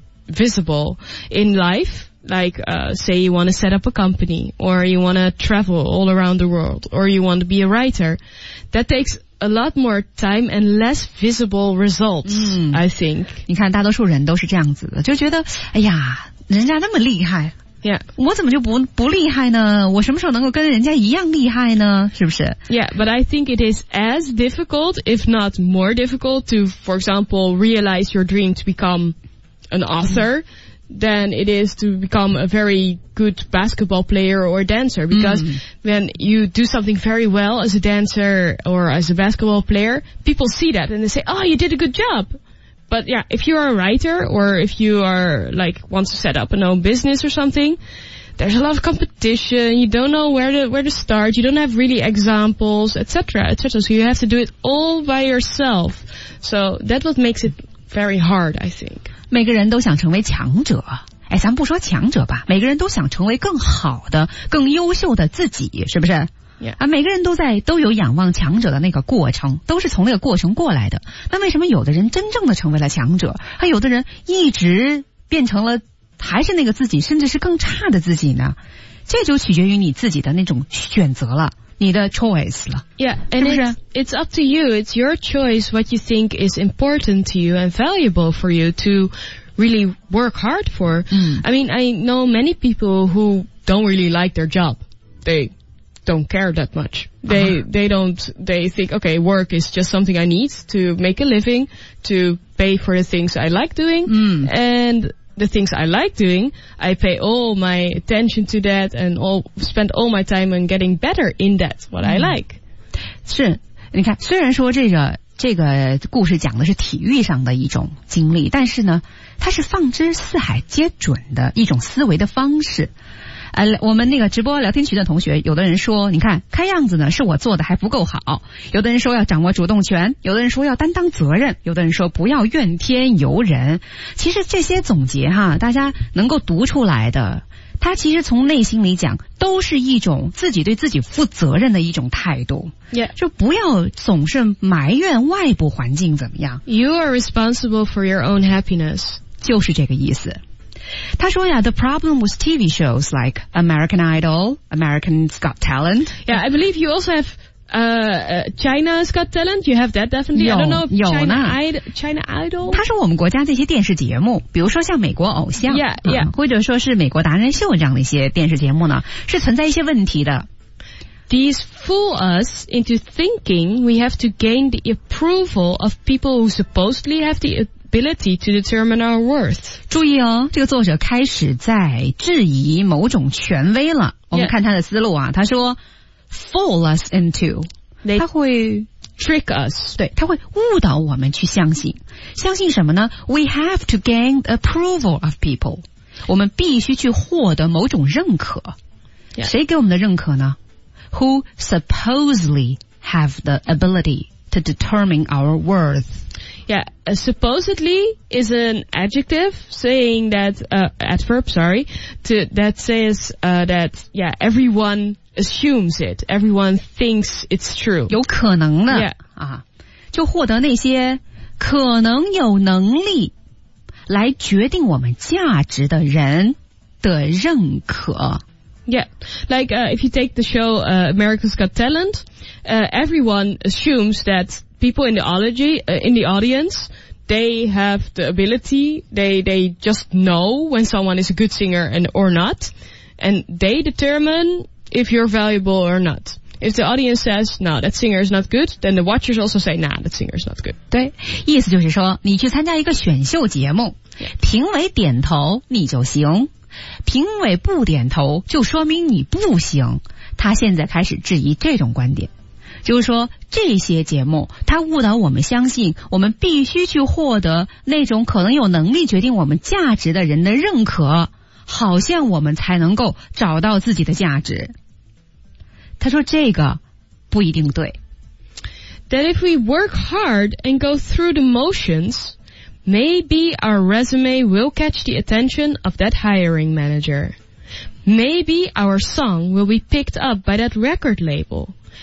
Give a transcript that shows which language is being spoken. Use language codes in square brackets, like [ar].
[en] Visible in life, like, say you want to set up a company, or you want to travel all around the world, or you want to be a writer. That takes a lot more time and less visible results,、I think. [zh] 你看大多数人都是这样子的就觉得哎呀人家那么厉害。 [en] Yeah. [zh] 我怎么就不厉害呢我什么时候能够跟人家一样厉害呢是不是 [en] Yeah, but I think it is as difficult, if not more difficult, to, for example, realize your dream to becomeAn author than it is to become a very good basketball player or dancer because、when you do something very well as a dancer or as a basketball player, people see that and they say, oh, you did a good job. But yeah, if you are a writer or if you are like want to set up an own business or something, there's a lot of competition. You don't know where to start. You don't have really examples, etc., etc. So you have to do it all by yourself. So that's what makes it very hard, I think. [zh] 每个人都想成为强者哎，咱不说强者吧每个人都想成为更好的更优秀的自己是不是、 [en] yeah. [zh] 啊，每个人都有仰望强者的那个过程都是从那个过程过来的那为什么有的人真正的成为了强者而有的人一直变成了还是那个自己，甚至是更差的自己呢？这就取决于你自己的那种选择了。你的 choice 了 [en] yeah, and [zh] 是不是 [en] it's up to you, it's your choice what you think is important to you and valuable for you to really work hard for、 mm. I mean I know many people who don't really like their job, they don't care that much, they,、 uh-huh. they don't, they think okay work is just something I need to make a living to pay for the things I like doing、 mm. and the things I like doing, I pay all my attention to that and all, spend all my time on getting better in that, what、mm-hmm. I like. [zh] 是你看虽然说这个故事讲的是体育上的一种经历，但是呢它是放之四海皆准的一种思维的方式。我们那个直播聊天群的同学，有的人说你看看样子呢是我做的还不够好，有的人说要掌握主动权，有的人说要担当责任，有的人说不要怨天尤人。其实这些总结哈，大家能够读出来的，他其实从内心里讲都是一种自己对自己负责任的一种态度、 yeah. 就不要总是埋怨外部环境怎么样。 [en] You are responsible for your own happiness. [zh] 就是这个意思。他说呀 [en] the problem with TV shows like American Idol, American's Got Talent. Yeah, I believe you also have China's Got Talent. You have that definitely. [zh] 有, [en] I don't know China Idol. [zh] 他说我们国家这些电视节目，比如说像美国偶像 [en] yeah, yeah.、 [zh] 或者说是美国达人秀这样的一些电视节目呢，是存在一些问题的。 [en] These fool us into thinking we have to gain the approval of people who supposedly have the ability to determine our worth. [zh] 注意哦，这个作者开始在质疑某种权威了。我们看他的思路啊，他说 [en] fool us into, [zh] 他会 [en] trick us, [zh] 对，他会误导我们去相信。相信什么呢？ [en] We have to gain approval of people. [zh] 我们必须去获得某种认可。 [en] Yeah. [zh] 谁给我们的认可呢？ [en] Who supposedly have the ability to determine our worth. Yeah, supposedly is an adjective saying that, adverb, sorry, to, that says, that, yeah, everyone assumes it. Everyone thinks it's true. [zh] 有可能的。 [en] Yeah. [zh] 啊。就获得那些可能有能力来决定我们价值的人的认可。 [en] Yeah, like, if you take the show, America's Got Talent, everyone assumes that people in the audience, they have the ability, they just know when someone is a good singer and, or not, and they determine if you're valuable or not. If the audience says, no, that singer is not good, then the watchers also say, nah, that singer is not good. [zh] 对，意思就是说，你去参加一个选秀节目，评委点头，你就行。评委不点头就说明你不行。他现在开始质疑这种观点，就是说这些节目他误导我们相信我们必须去获得那种可能有能力决定我们价值的人的认可，好像我们才能够找到自己的价值。他说这个不一定对。 [en] That if we work hard and go through the motionsMaybe our resume will catch the attention of that hiring manager. Maybe our song will be picked up by that record label.